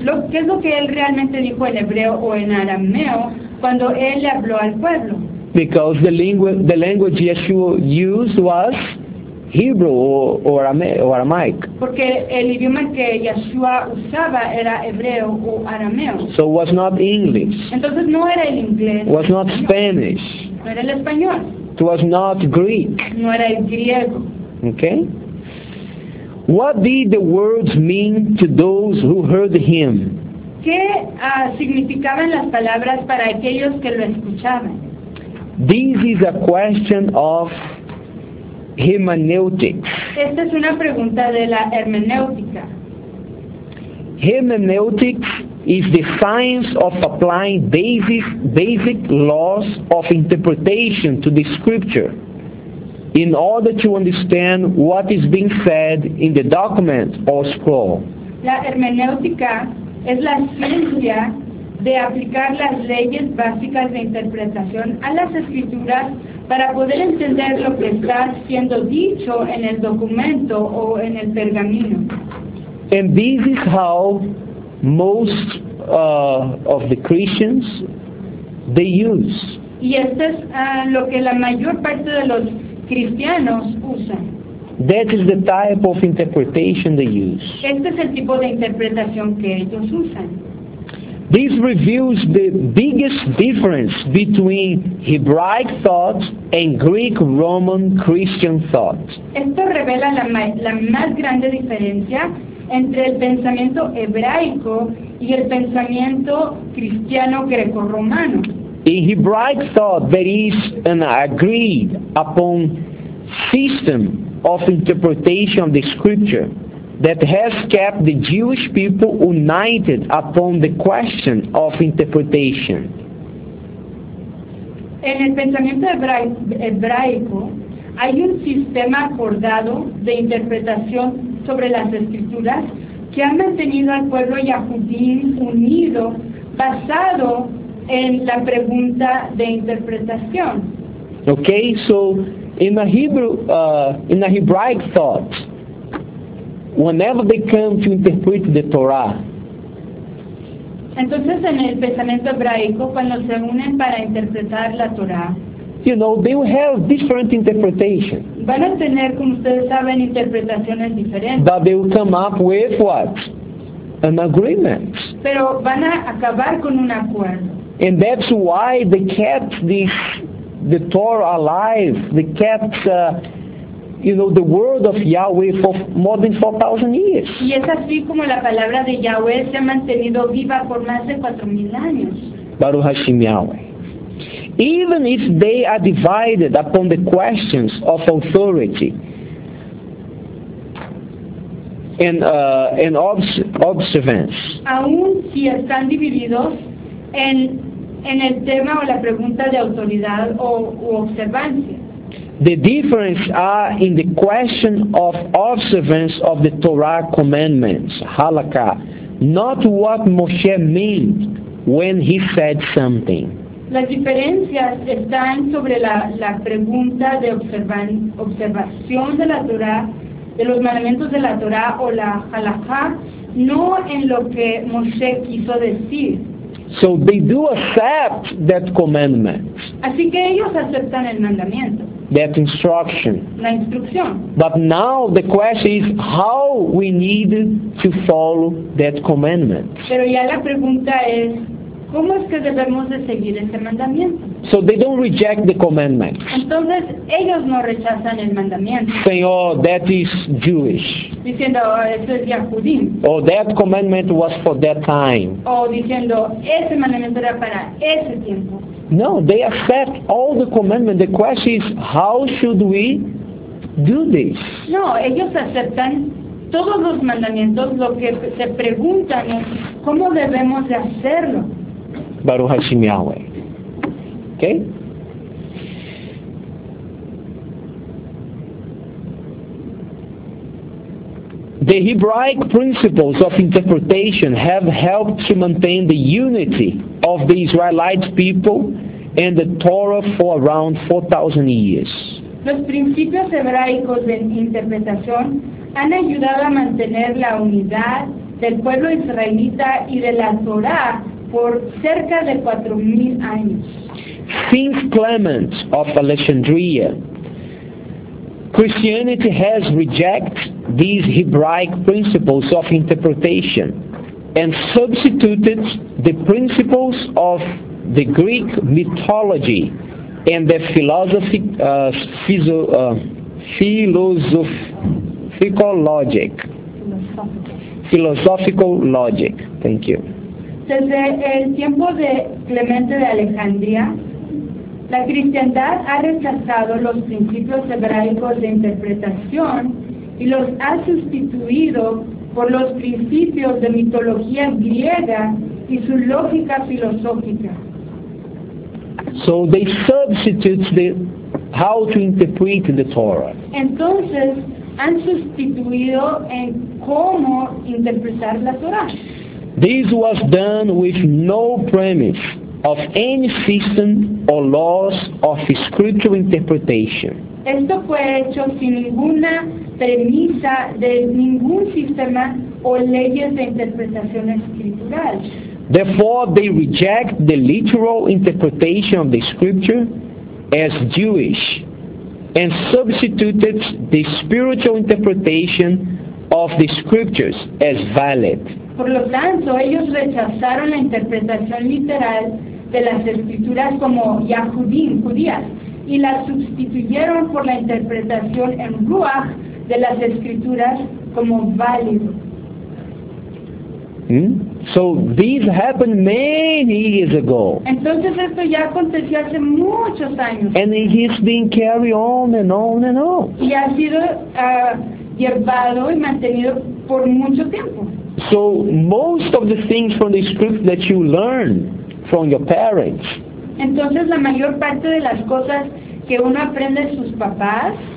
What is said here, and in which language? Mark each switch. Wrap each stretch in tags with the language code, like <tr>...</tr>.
<es>¿Qué es lo que él realmente dijo en hebreo o en arameo cuando él le habló al pueblo?</es> <en>Because the language Yeshua used was Hebrew or Aramaic.</en> <es>Porque el idioma que Yeshua usaba era hebreo o arameo.</es> <en>So it was not English.</en> <es>Entonces no era el inglés.</es> <en>It was not Spanish.</en> <es>No era el español.</es> <en>It was not Greek.</en> <es>No era el griego.</es> <en>Okay. What did the words mean to those who heard him?</en> <es>¿Qué significaban las palabras para aquellos que lo escuchaban?</es> <en>This is a question of hermeneutics.</en> <es>Esta es una pregunta de la hermenéutica.</es> <en>Hermeneutics is the science of applying basic laws of interpretation to the scripture in order to understand what is being said in the document or scroll.</en> <es>La hermenéutica es la ciencia de aplicar las leyes básicas de interpretación a las escrituras para poder entender lo que está siendo dicho en el documento o en el pergamino.</es> <en>And this is how most of the Christians they use.</en> <es>Y esto es lo que la mayor parte de los cristianos usan.</es> <en>That is the type of interpretation they use.</en> <es>Este es el tipo de interpretación que ellos usan.</es> <en>This reveals the biggest difference between Hebraic thought and Greek Roman Christian thought.</en> <es>Esto revela la más grande diferencia entre el pensamiento hebraico y el pensamiento cristiano greco-romano.</es> <en>In Hebraic thought, there is an agreed upon system of interpretation of the scripture that has kept the Jewish people united upon the question of interpretation.</en> <es>En el pensamiento hebraico hay un sistema acordado de interpretación sobre las escrituras que ha mantenido al pueblo yahudín unido basado en la pregunta de interpretación.</es> <en>Okay, so in a Hebrew, in a Hebraic thought, whenever they come to interpret the Torah.</en> <es>Entonces, en el pensamiento hebraico, cuando se unen para interpretar la Torah,</es> <en>you know, they will have different interpretations.</en> <es>Van a tener, como ustedes saben, interpretaciones diferentes.</es> <en>But they will come up with what? An agreement.</en> <es>Pero van a acabar con un acuerdo.</es> <en>And that's why they kept the Torah alive. They kept you know, the word of Yahweh for more than 4,000 years.</en> <es>Y es así como la palabra de Yahweh se ha mantenido viva por más de 4,000 años.</es> <he>Baruch Hashem Yahweh.</he> <en>Even if they are divided upon the questions of authority and observance.</en> <es>Aún si están divididos en el tema o la pregunta de autoridad o observancia.</es> <en>The difference are in the question of observance of the Torah commandments, halakha, not what Moshe meant when he said something.</en> <es>Las diferencias están sobre la pregunta de observación de la Torah, de los mandamientos de la Torah o la halakha, no en lo que Moshe quiso decir.</es> <en>So they do accept that commandment.</en> <es>Así que ellos aceptan el mandamiento.</es> <en>That instruction.</en> <es>La instrucción.</es> <en>But now the question is how we need to follow that commandment.</en> <es>Pero ya la pregunta es, ¿cómo es que debemos de seguir ese mandamiento?</es> <en>So they don't reject the commandment.</en> <es>Entonces ellos no rechazan el mandamiento.</es> <en>Saying, oh, that is Jewish.</en> <es>Diciendo, oh, eso es Yahudim.</es> <en>Oh, that commandment was for that time.</en> <es>Oh, diciendo, ese mandamiento era para ese tiempo.</es> <en>No, they accept all the commandments. The question is, how should we do this?</en> <es>No, ellos aceptan todos los mandamientos. Lo que se preguntan es, ¿cómo debemos de hacerlo?</es> <he>Baruch Hashem Yahweh. Okay?</he> <en>The Hebraic principles of interpretation have helped to maintain the unity of the Israelite people and the Torah for around 4,000 years.</en> <es>Los principios hebraicos de interpretación han ayudado a mantener la unidad del pueblo israelita y de la Torah por cerca de 4,000 años.</es> <en>Since Clement of Alexandria, Christianity has rejected these Hebraic principles of interpretation and substituted the principles of the Greek mythology and the philosophical logic. Thank you.</en> <es>Desde el tiempo de Clemente de Alejandría, la cristiandad ha rechazado los principios hebraicos de interpretación y los ha sustituido por los principios de mitología griega y su lógica filosófica.</es> <en>So they substitute the how to interpret the Torah.</en> <es>Entonces han sustituido en cómo interpretar la Torah.</es> <en>This was done with no premise of any system or laws of scriptural interpretation.</en> <es>Esto fue hecho sin ninguna premisa de ningún sistema o leyes de interpretación escritural.</es> <en>Therefore, they reject the literal interpretation of the scripture as Jewish and substituted the spiritual interpretation of the scriptures as valid.</en> <es>Por lo tanto, ellos rechazaron la interpretación literal de las escrituras como Yahudim, judías, y la sustituyeron por la interpretación en Ruach de las escrituras como válido.</es> <en>So this happened many years ago.</en> <es>Entonces esto ya aconteció hace muchos años.</es> <en>And it has been carried on and on and on.</en> <es>Y ha sido llevado y mantenido por mucho tiempo.</es> <en>So most of the things from the script that you learn from your parents.</en> <es>Entonces la mayor parte de las cosas que uno aprende de sus papás.</es>